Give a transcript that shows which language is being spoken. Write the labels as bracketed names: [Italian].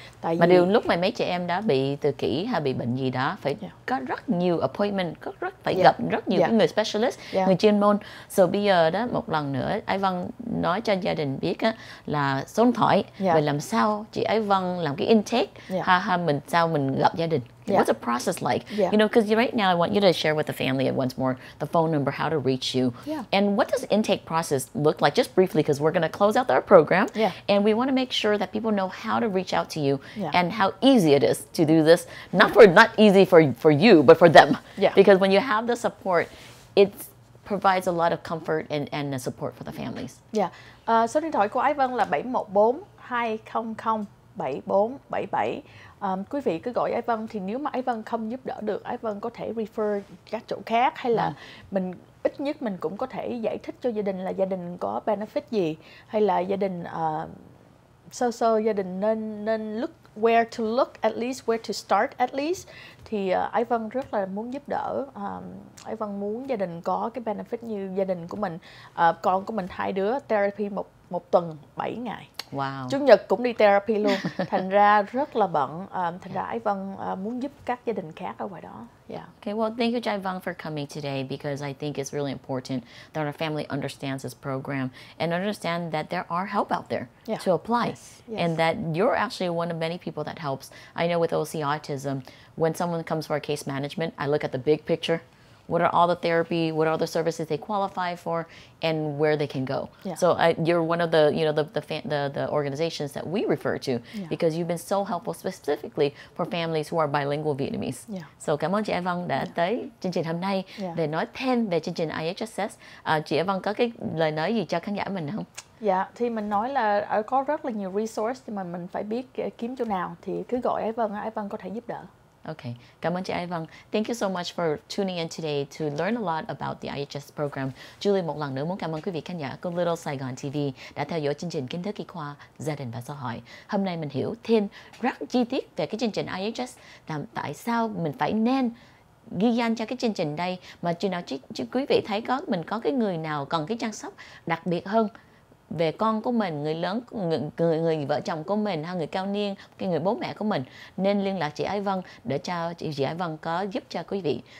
[Vietnamese] Tại mà vì điều lúc mà mấy trẻ em đã bị tự kỷ hay bị bệnh gì đó phải, yeah, có rất nhiều appointment, gặp rất nhiều, yeah, người specialist, [English] yeah, [Vietnamese] người chuyên môn. So bây giờ đó, một lần nữa Ái Vân nói cho gia đình biết á, là số điện thoại, [English] yeah, [Vietnamese] và làm sao chị Ái Vân làm cái intake, [English] yeah, [Vietnamese] mình gặp gia đình. [English] Yeah. What's the process like? Yeah. You know, because right now I want you to share with the family once more the phone number, how to reach you. Yeah. And what does intake process look like? Just briefly, because we're going to close out our program. Yeah. And we want to make sure that people know how to reach out to you, yeah, and how easy it is to do this. Not easy for you, but for them. Yeah. Because when you have the support, it provides a lot of comfort and support for the families. Yeah. [Vietnamese] Số điện thoại của Ái Vân là 714-200-7477. Quý vị cứ gọi Ái Vân, thì nếu mà Ái Vân không giúp đỡ được, Ái Vân có thể refer các chỗ khác, hay là mình ít nhất mình cũng có thể giải thích cho gia đình là gia đình có benefit gì, hay là gia đình sơ gia đình nên [English] look where to look at least, where to start at least. [Vietnamese] Thì Ái Vân rất là muốn giúp đỡ. Ái Vân muốn gia đình có cái benefit như gia đình của mình. Con của mình hai đứa therapy một tuần 7 ngày. [English] Wow. [Vietnamese] Chủ nhật cũng đi therapy luôn. Thành ra rất là bận. Thành ra Ái Vân muốn giúp các gia đình khác ở ngoài đó. [English] Yeah. Okay, well, thank you, Ái Vân, for coming today, because I think it's really important that our family understands this program and understand that there are help out there, yeah, to apply. Yes. Yes. And that you're actually one of many people that helps. I know with OC Autism, when someone comes for our case management, I look at the big picture. What are all the therapy, what are the services they qualify for, and where they can go. Yeah. So you're one of the, you know, the organizations that we refer to, yeah, because you've been so helpful specifically for families who are bilingual Vietnamese. Yeah. [Vietnamese] So cảm ơn chị Ái Vân đã, yeah, tới chương trình hôm nay, [English] yeah, [Vietnamese] để nói thêm về chương trình IHSS. Chị Ái Vân có cái lời nói gì cho khán giả mình không? Dạ, thì mình nói là có rất là nhiều resource, nhưng mà mình phải biết kiếm chỗ nào, thì cứ gọi Ái Vân có thể giúp đỡ. Okay, cảm ơn chị Ai Vân. [English] Thank you so much for tuning in today to learn a lot about the IHS program. [Vietnamese] Julie, một lần nữa muốn cảm ơn quý vị khán giả của Little Saigon TV đã theo dõi chương trình kiến thức y khoa, gia đình và xã hội. Hôm nay mình hiểu thêm rất chi tiết về cái chương trình IHS, làm tại sao mình phải nên ghi danh cho cái chương trình đây, mà chừng nào chứ quý vị thấy có mình có cái người nào cần cái chăm sóc đặc biệt hơn về con của mình, người lớn, người vợ chồng của mình hay người cao niên, cái người bố mẹ của mình, nên liên lạc chị Ai Vân để cho chị Ai Vân có giúp cho quý vị.